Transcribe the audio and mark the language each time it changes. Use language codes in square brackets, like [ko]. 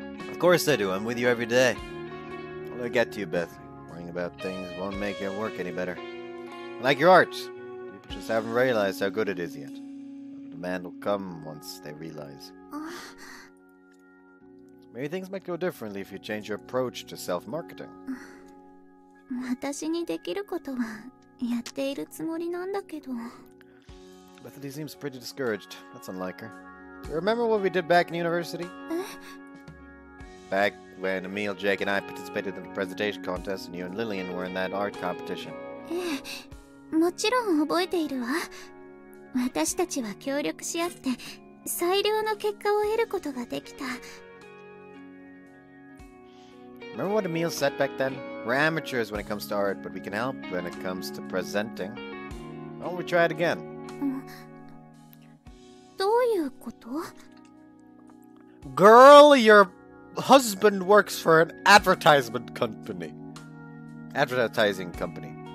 [en] Of course I do. I'm with you every day. I'll get to you, Beth. Worrying about things won't make your work any better. I like your art. People just haven't realized how good it is yet. The demand will come once they realize. Maybe things might go differently if you change your approach to self-marketing. [ja] 私にできることはやっているつもりなんだけど。 [en] Bethany seems pretty discouraged. That's unlike her. Do you remember what we did back in university? Back when Emil, Jake, and I participated in the presentation contest and you and Lillian were in that art competition. [ja] もちろん覚えているわ。私たちは協力し合って最良の結果を得ることができた。 [en] Remember what Emil said back then? We're amateurs when it comes to art, but we can help when it comes to presenting. Why don't we try it again? [ja] どういうこと? [en] Girl, your husband works for an advertising company.